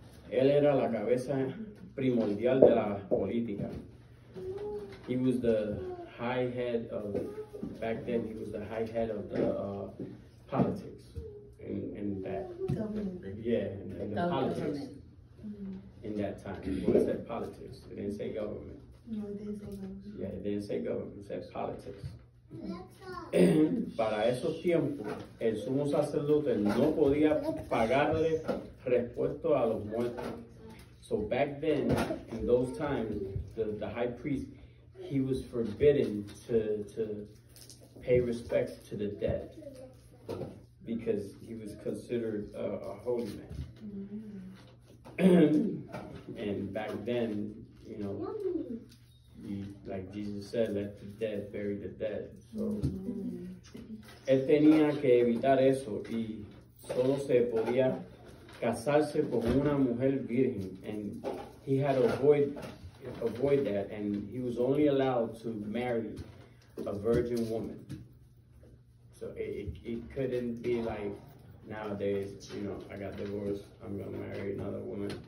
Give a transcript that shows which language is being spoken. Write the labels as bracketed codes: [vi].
[es] él era la cabeza primordial de la política. [en] He was the high head of, back then he was the high head of the politics in that. Government. Yeah, in the politics. In that time, when it said politics, it didn't say government. No, it didn't say government. Yeah, it didn't say government, it said politics. [es] Para esos tiempos, el sumo sacerdote no podía pagarle respuesta a los muertos. [en] So back then, in those times, the high priest, he was forbidden to pay respects to the dead, because he was considered a holy man. And back then, you know, like Jesus said, let the dead bury the dead. [es] So, él tenía que evitar eso, y solo se podía casarse con una mujer virgen, [en] and he had to avoid that, and he was only allowed to marry a virgin woman. So it couldn't be like nowadays, you know, I got divorced, I'm gonna marry another woman.